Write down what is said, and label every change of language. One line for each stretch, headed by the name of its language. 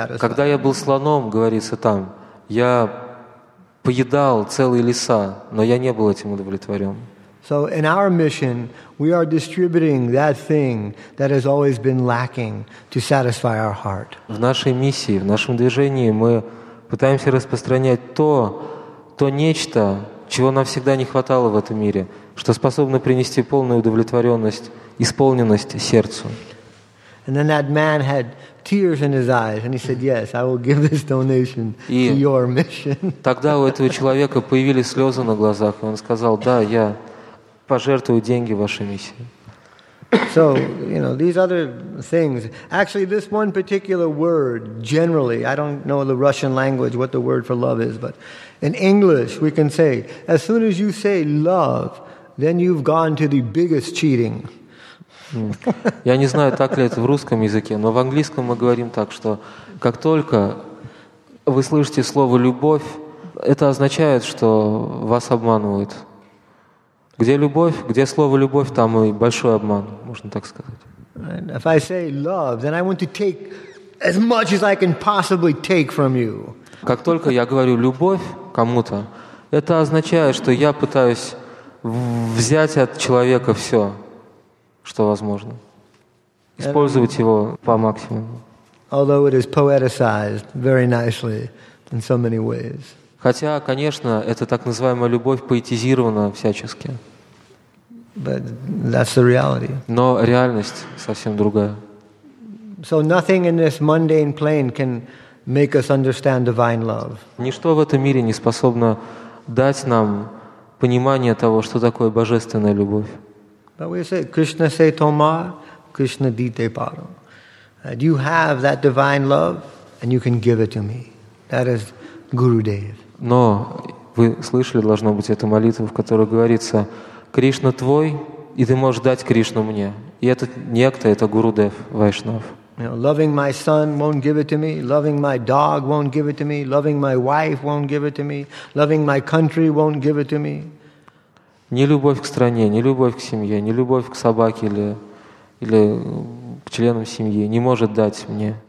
Russian: Когда я был слоном, говорится там, я поедал целые леса, но я не был этим удовлетворен.
English: So in our mission, we are distributing that thing that has always been lacking to satisfy our heart.
Russian: В нашей миссии, в нашем движении мы пытаемся распространять то нечто, чего нам всегда не хватало в этом мире, что способно принести полную удовлетворенность, исполненность сердцу.
English: And then that man had tears in his eyes, and he said, "Yes, I will give this donation to your mission."
Russian: Тогда у этого человека появились слезы на глазах, и он сказал: "Да, я пожертвую деньги вашей миссии."
English: So, you know, these other things. Actually, this one particular word, generally, I don't know the Russian language, what the word for love is, but in English, we can say, as soon as you say love, then you've gone to the biggest cheating.
Russian: Я не знаю, так ли это в русском языке, но в английском мы говорим так, что как только вы слышите слово «любовь», это означает, что вас обманывают. Где любовь, где слово «любовь», там и большой обман, можно так сказать.
English: If I say love, then I want to take as much as I can possibly take from you.
Russian: Как только я говорю любовь кому-то, это означает, что я пытаюсь взять от человека все, что возможно, использовать его по максимуму.
English: Although it is poeticized very nicely in so many ways.
Russian: Хотя, конечно, эта так называемая любовь поэтизирована всячески.
English: But that's the reality.
Russian: Но реальность совсем другая.
English: So nothing in this mundane plane can make us understand divine love.
Russian: Ничто в этом мире не способно дать нам понимание того, что такое божественная любовь.
English: But we say
Bangla: Krishna se toma, Krishna dite paro.
English: You have that divine love, and you can give it to me. That is Gurudev.
Russian: Но вы слышали, должно быть, эту молитву, в которой говорится: Кришна твой, и ты можешь дать Кришну мне. И этот некто — это Гурудев, Вайшнав.
English: Loving my son won't give it to me. Loving my dog won't give it to me. Loving my wife won't give it to me. Loving my country won't give it to me.
Russian: Не любовь к стране, не любовь к семье, не любовь к собаке или к членам семьи не может дать мне.